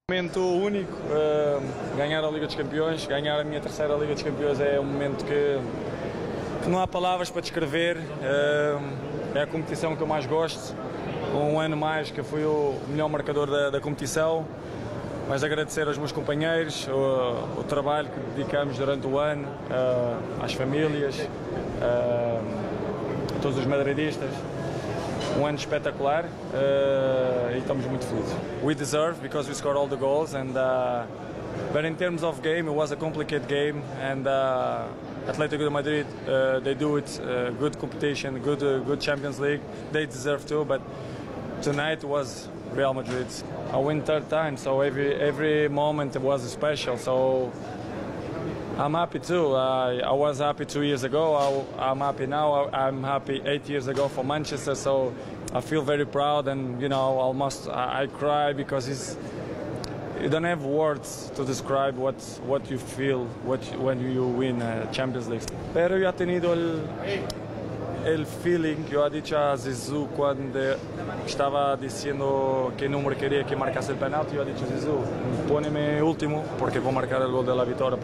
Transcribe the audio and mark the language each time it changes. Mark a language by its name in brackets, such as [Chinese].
[Portuguese] Um momento único, ganhar a Liga dos Campeões, ganhar a minha terceira Liga dos Campeões é um momento que não há palavras para descrever, é a competição que eu mais gosto, um ano mais que fui o melhor marcador da competição, mas agradecer aos meus companheiros, o trabalho que dedicamos durante o ano, às famílias, a todos os madridistas. Um ano espetacular e estamos muito felizes. [English] We deserve because we scored all the goals and but in terms of game it was a complicated game and Atlético de Madrid they do it good competition, good Champions League. They deserve too, but tonight was Real Madrid. I win third time, so every moment was special. So I'm happy too. I was happy 2 years ago. I'm happy now. I'm happy 8 years ago for Manchester. So I feel very proud, and you know, almost I cry because it's. You don't have words to describe what you feel when you win a Champions League. [Spanish] Pero yo he tenido el feeling. Yo he dicho a Zizou cuando estaba diciendo qué número quería que marcase el penalti. Yo he dicho a Zizou, póneme último porque voy a marcar el gol de la victoria.